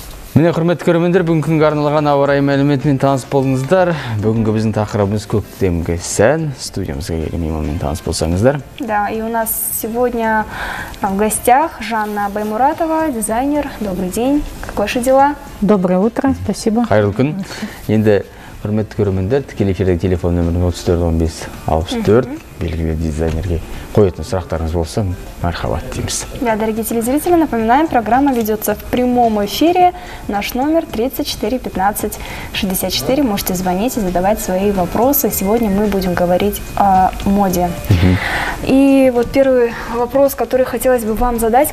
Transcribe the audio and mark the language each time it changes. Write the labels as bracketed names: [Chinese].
[Kazakh] Мені құрметті көрермендер, бүгінгі арналған ауа райы мәліметімен таныс болыңыздар. Бүгінгі біздің тақырыбымыз көктемгі сән. Студиямызға келген мейманмен таныс болсаңыздар. [Russian] Да, и у нас сегодня в гостях Жанна Баймуратова, дизайнер. Добрый день, как ваши дела? Доброе утро, спасибо. [Kazakh] Қайырлы күн. Енді құрметті көрермендер, тікелей эфирдегі телефон нөмірін 34-15-64. Белгілі дизайнерге қойетін сұрақтарыңыз болса, мархабат дейміз. [Russian] Да, дорогие телезрители, напоминаем, программа ведется в прямом эфире. Наш номер 34-15-64. Можете звонить и задавать свои вопросы. Сегодня мы будем говорить о моде. И вот первый вопрос, который хотелось бы вам задать.